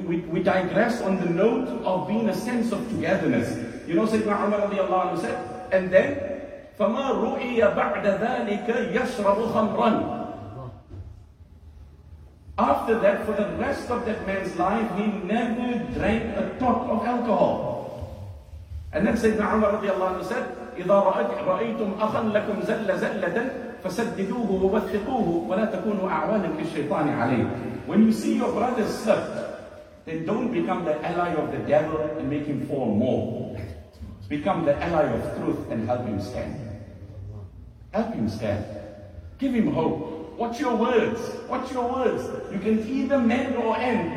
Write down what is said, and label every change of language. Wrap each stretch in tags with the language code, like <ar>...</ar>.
<en>We digress on the note of being a sense of togetherness. You know, Sayyidina Umar radiallahu anhu said, and then,</en> <ar>فَمَا رُؤِيَ بَعْدَ ذَلِكَ يَشْرَبُ خَمْرًا.</ar> <en>After that, for the rest of that man's life, he never drank a drop of alcohol. And then Sayyidina Umar radiallahu anhu said,</en> <ar>إِذَا رَأَيْتُمْ أَخًا لَكُمْ زَلَّ زَلَّةً فَسَدِّدُوهُ وَوَثِّقُوهُ وَلَا تَكُونُوا أَعْوَانًا لِلشَّيْطَانِ عَلَيْهِ.</ar> <en>When you see your brother slipped, then don't become the ally of the devil and make him fall more. Become the ally of truth and help him stand. Help him stand. Give him hope. Watch your words. Watch your words. You can either mend or end.</en>